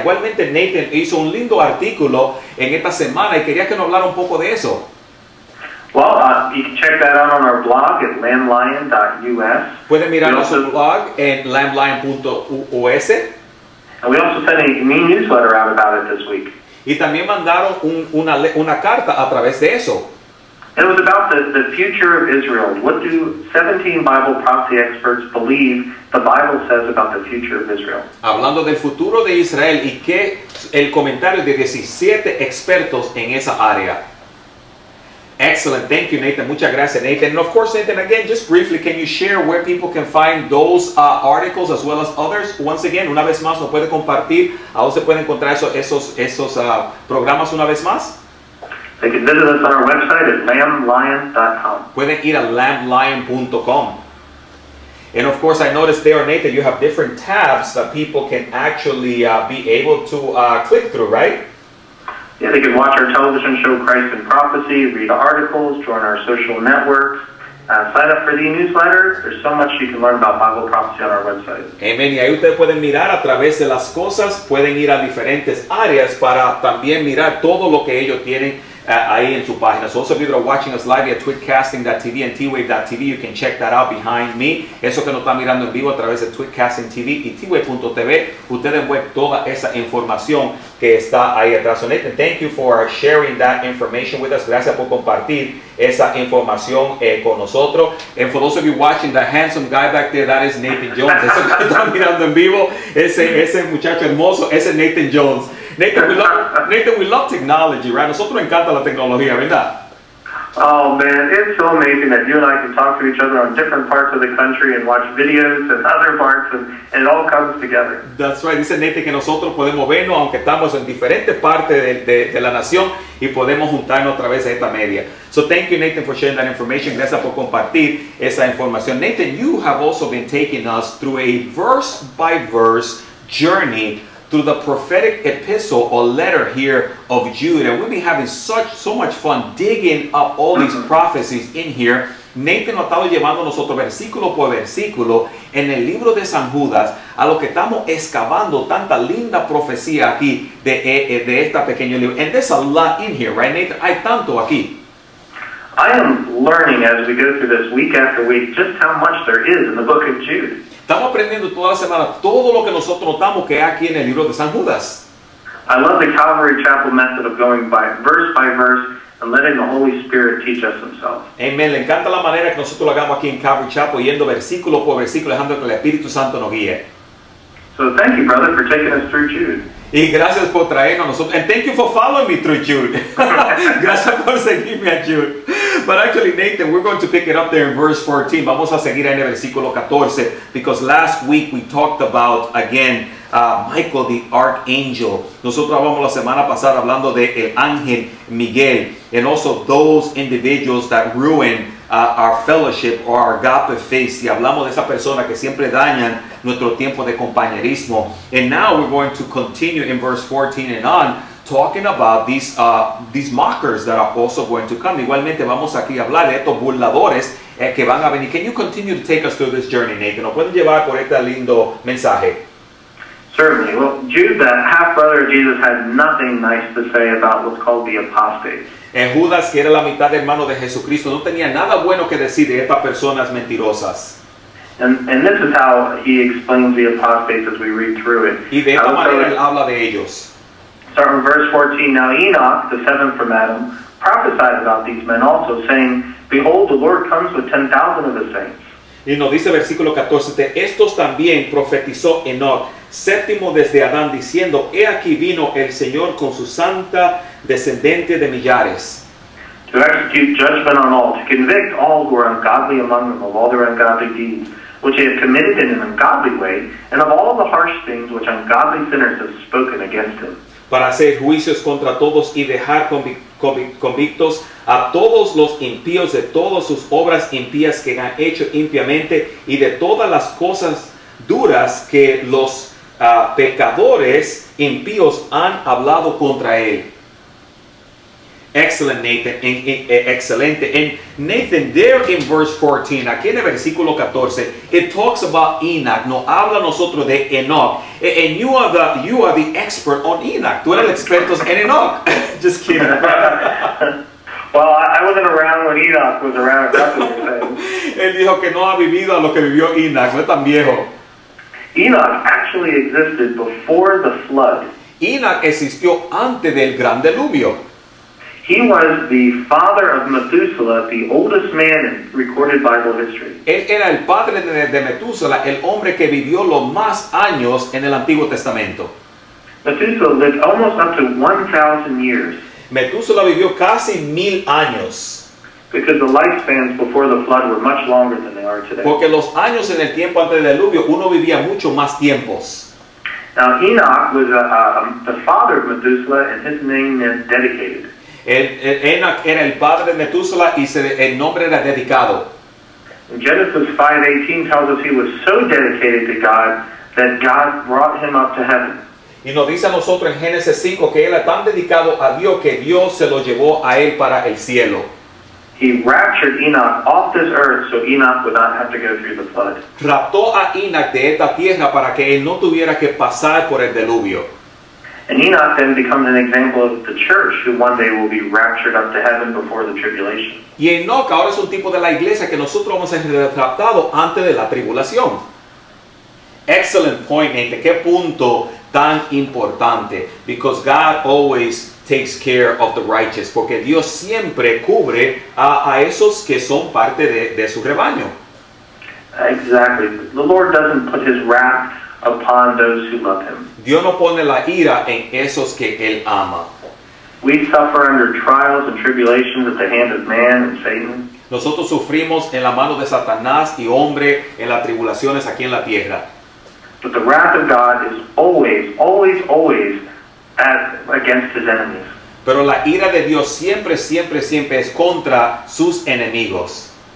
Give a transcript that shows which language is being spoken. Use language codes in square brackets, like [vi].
[es] Igualmente, Nathan hizo un lindo artículo en esta semana y quería que nos hablara un poco de eso. [en] Well, you can check that out on our blog at lamblion.us. [es] Pueden mirar nuestro blog en lamblion.us. [en] And we also sent a newsletter out about it this week. [es] Y también mandaron una carta a través de eso. [en] It was about the future of Israel. What do 17 Bible prophecy experts believe the Bible says about the future of Israel. [es] Hablando del futuro de Israel y qué el comentario de 17 expertos en esa área. [en] Excellent. Thank you, Nathan. [es] Muchas gracias, Nathan. [en] And of course, Nathan, again, just briefly, can you share where people can find those articles as well as others? Once again, [es] una vez más, ¿no puede compartir? ¿A dónde se puede encontrar esos programas una vez más? [en] They can visit us on our website at lamblion.com. [es] Pueden ir a lamblion.com. [en] And of course, I noticed there, Nathan, you have different tabs that people can actually be able to click through, right? Yeah, they can watch our television show, Christ and Prophecy, read articles, join our social networks, sign up for the newsletter. There's so much you can learn about Bible prophecy on our website. Amen. [es] Y ahí ustedes pueden mirar a través de las cosas, pueden ir a diferentes áreas para también mirar todo lo que ellos tienen ahí en su página. [en] So also if you're watching us live at twitcasting.tv and twave.tv, you can check that out behind me. [es] Eso que nos está mirando en vivo a través de Twitcasting TV y twave.tv, ustedes ven toda esa información que está ahí atrás. [en] So Nathan, thank you for sharing that information with us. [es] Gracias por compartir esa información con nosotros. [en] And for those of you watching, the handsome guy back there, that is Nathan Jones. [es] Eso que está mirando en vivo, ese muchacho hermoso, ese Nathan Jones. [en] Nathan, we love technology, right? [es] Nosotros encanta la tecnología, ¿verdad? [en] Oh, man, it's so amazing that you and I can talk to each other on different parts of the country and watch videos and other parts, and it all comes together. That's right. [es] Dice Nathan que nosotros podemos vernos, aunque estamos en diferentes partes de la nación, y podemos juntarnos a través de esta media. [en] So thank you, Nathan, for sharing that information. [es] Gracias por compartir esa información. [en] Nathan, you have also been taking us through a verse-by-verse journey through the prophetic epistle or letter here of Jude. And we've been having so much fun digging up all these prophecies in here. [es] Nathan nos estaba llevando nosotros versículo por versículo en el libro de San Judas a lo que estamos excavando tanta linda profecía aquí de esta pequeño libro. [en] And there's a lot in here, right, Nathan? [es] Hay tanto aquí. [en] I am learning as we go through this week after week just how much there is in the book of Jude. [es] Estamos aprendiendo toda la semana todo lo que nosotros notamos que hay aquí en el libro de San Judas. [en] I love the Calvary Chapel method of going verse by verse and letting the Holy Spirit teach us himself. Amen. [es] Le encanta la manera que nosotros lo hagamos aquí en Calvary Chapel, yendo versículo por versículo, dejando que el Espíritu Santo nos guíe. [en] So thank you, brother, for taking us through Jude. [es] Y gracias por traernos a nosotros. [en] And thank you for following me through Jude. [es] Gracias por seguirme a Jude. [en] But actually, Nathan, we're going to pick it up there in verse 14. [es] Vamos a seguir en el versículo 14. [en] Because last week we talked about, again, Michael the Archangel. [es] Nosotros hablamos la semana pasada hablando de el ángel Miguel. [en] And also those individuals that ruin our fellowship or our agape faith. [es] Y hablamos de esa persona que siempre dañan nuestro tiempo de compañerismo. [en] And now we're going to continue in verse 14 and on, talking about these mockers that are also going to come. [es] Igualmente, vamos aquí a hablar de estos burladores que van a venir. [en] Can you continue to take us through this journey, Nathan? [es] ¿Nos pueden llevar por este lindo mensaje? [en] Certainly. Well, Jude, the half-brother of Jesus, had nothing nice to say about what's called the apostate. [es] En Judas, que era la mitad hermano de Jesucristo, no tenía nada bueno que decir de estas personas mentirosas. [en] And this is how he explains the apostates as we read through it. [es] Y de esta manera él habla de ellos. [en] Start from verse 14, now Enoch, the seventh from Adam, prophesied about these men also, saying, behold, the Lord comes with 10,000 of his saints. [es] Y nos dice versículo 14, de estos también profetizó Enoch, séptimo desde Adán, diciendo, he aquí vino el Señor con su santa descendente de millares. [en] To execute judgment on all, to convict all who are ungodly among them of all their ungodly deeds, which they have committed in an ungodly way, and of all the harsh things which ungodly sinners have spoken against him. [es] Para hacer juicios contra todos y dejar convictos a todos los impíos de todas sus obras impías que han hecho impiamente y de todas las cosas duras que los pecadores impíos han hablado contra él. [en] Excellent, Nathan. [es] Excelente. [en] And Nathan, there in verse 14, [es] aquí en el versículo 14, [en] it talks about Enoch. [es] No habla nosotros de Enoch. [en] And you are the expert on Enoch. [es] Tú eres el experto en Enoch. [en] Just kidding. Well, I wasn't around when Enoch was around. [es] Él dijo que no ha vivido a lo que vivió Enoch. No es tan viejo. [en] Enoch actually existed before the flood. [es] Enoch existió antes del gran diluvio. [en] He was the father of Methuselah, the oldest man in recorded Bible history. [es] Él era el padre de Methuselah, el hombre que vivió los más años en el Antiguo Testamento. [en] Methuselah lived almost up to 1,000 years. [es] Methuselah vivió casi 1,000 años. [en] Because the lifespans before the flood were much longer than they are today. [es] Porque los años en el tiempo antes del diluvio, uno vivía mucho más tiempos. [en] Now Enoch was the father of Methuselah, and his name meant dedicated. [es] Enoch era el padre de Methuselah y el nombre era dedicado. [en] Genesis 5:18 tells us he was so dedicated to God that God brought him up to heaven. [es] Y nos dice a nosotros en Génesis 5 que él era tan dedicado a Dios que Dios se lo llevó a él para el cielo. [en] He raptured Enoch off this earth so Enoch would not have to go through the flood. [es] Raptó a Enoch de esta tierra para que él no tuviera que pasar por el diluvio. [en] And Enoch then becomes an example of the church who one day will be raptured up to heaven before the tribulation. [es] Y Enoch ahora es un tipo de la iglesia que nosotros vamos a ser raptados antes de la tribulación. [en] Excellent point, Nate. [es] Qué punto tan importante. [en] Because God always takes care of the righteous. [es] Porque Dios siempre cubre a esos que son parte de su rebaño. [en] Exactly. The Lord doesn't put his wrath upon those who love him. [es] Dios no pone la ira en esos que él ama. [en] We suffer under trials and tribulations at the hand of man and Satan. [es] Nosotros sufrimos en la mano de Satanás y hombre en las tribulaciones aquí en la tierra. [en] But the wrath of God is always, always, always at against his enemies. [es] Pero la ira de Dios siempre, siempre, siempre es contra sus enemigos.